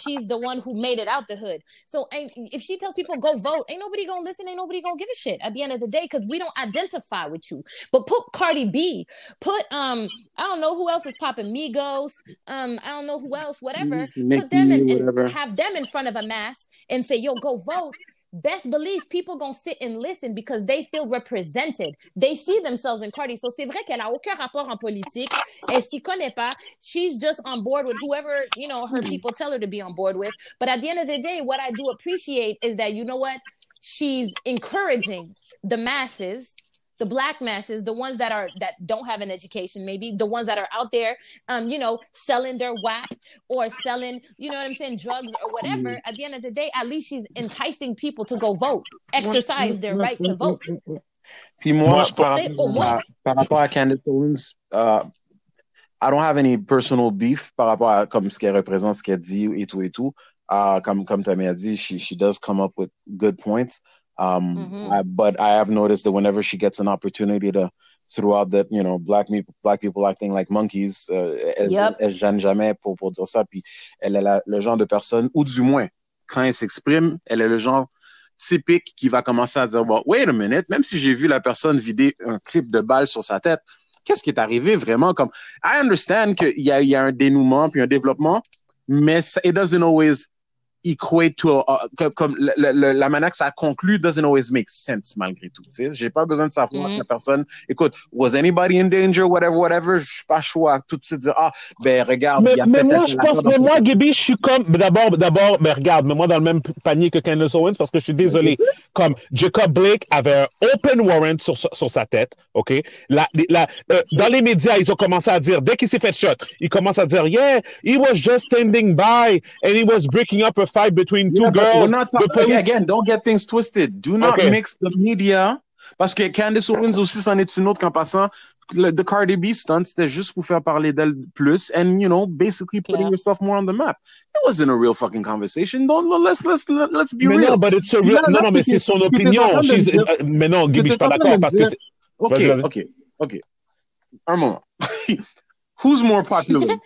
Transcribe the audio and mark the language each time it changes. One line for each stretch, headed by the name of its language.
English: She's the one who made it out the hood. So and if she tells people go vote, ain't nobody gonna listen, ain't nobody gonna give a shit at the end of the day because we don't identify with you. But put Cardi B, put I don't know who else is popping, Migos, I don't know who else, whatever. Mickey, put them in, whatever. And have them in front of a mass and say, yo, go vote. Best believe people gonna sit and listen because they feel represented. They see themselves in Cardi.
French: So c'est vrai qu'elle a aucun rapport en politique. Elle s'y connaît pas.
English: She's just on board with whoever, you know, her people tell her to be on board with. But at the end of the day, what I do appreciate is that, you know what? She's encouraging the masses, the black masses, the ones that are that don't have an education, maybe the ones that are out there, you know, selling their WAP or selling, you know what I'm saying, drugs or whatever. At the end of the day, at least she's enticing people to go vote, exercise their right to vote.
French: Puis moi, je par rapport à Candace Owens,
English: I don't have any personal beef
French: par rapport à comme ce qu'elle représente, ce qu'elle dit et tout, comme ta mère dit,
English: she does come up with good points. But I have noticed that whenever she gets an opportunity to throw out that, you know, black people acting like monkeys,
French: elle gêne jamais pour dire ça. Puis elle est le genre de personne, ou du moins, quand elle s'exprime, elle est le genre typique qui va commencer à dire,
English: well, wait a minute,
French: même si j'ai vu la personne vider un clip de balle sur sa tête, qu'est-ce qui est arrivé vraiment? Comme,
English: I understand
French: qu'il y a un dénouement puis un développement, mais ça,
English: it doesn't always equate to
French: comme la manière que ça conclut
English: doesn't always make sense
French: malgré tout. T'sais? J'ai pas besoin de savoir que la personne. Écoute,
English: was anybody in danger, whatever, whatever.
French: Je suis pas choix tout de suite dire ah ben regarde. Mais moi je pense, mais moi Gibby, je suis comme d'abord, mais regarde, mais moi dans le même panier que Candace Owens parce que je suis désolé. Comme Jacob Blake avait un open warrant sur sa tête, ok. Dans les médias ils ont commencé à dire dès qu'il s'est fait shot, ils commencent à dire
English: yeah he was just standing by and he was breaking up a fight between two girls. We're not talking again. Don't get things twisted. Do not mix the media.
French: Parce que Candace Owens aussi, c'en est une autre qu'en passant.
English: The Cardi B stunt,
French: c'était juste pour faire parler d'elle plus.
English: And, you know, basically putting yourself more on the map. It wasn't a real fucking conversation. Let's be
French: mais
English: real. No, but it's a real.
French: Non, mais c'est son opinion. Mais non, Gibby, je suis pas d'accord. Parce que
English: Okay.
French: Un moment.
English: Who's more popular?